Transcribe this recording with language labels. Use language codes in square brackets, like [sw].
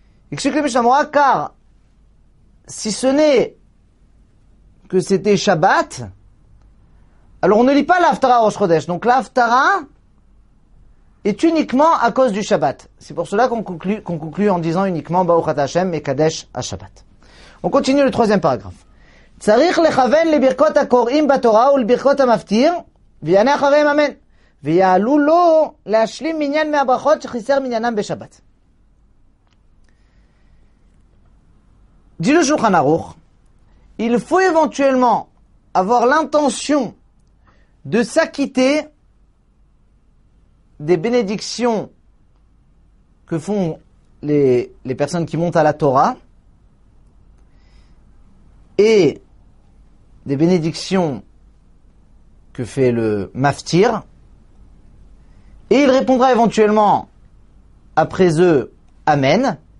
[fr] Explique le Mishnah Berurah, car si ce n'est que c'était Shabbat, alors on ne lit pas l'Aftara Rosh Chodesh. Donc l'Aftara est uniquement à cause du Shabbat. C'est pour cela qu'on conclut en disant uniquement Baruch Ata Hashem et Kadesh à Shabbat. On continue le troisième paragraphe. [he] צריך לכוון לברכות הקוראים בתורה ולברכות המפטיר ויענה אחריהם אמן ויעלו לו להשלים מניין מהברכות שחיסר מניינם בשבת. [fr] Dis-le Shulchan Aruch, il faut éventuellement avoir l'intention de s'acquitter des bénédictions que font les personnes qui montent à la Torah et des bénédictions que fait le maftir, et il répondra éventuellement après eux amen.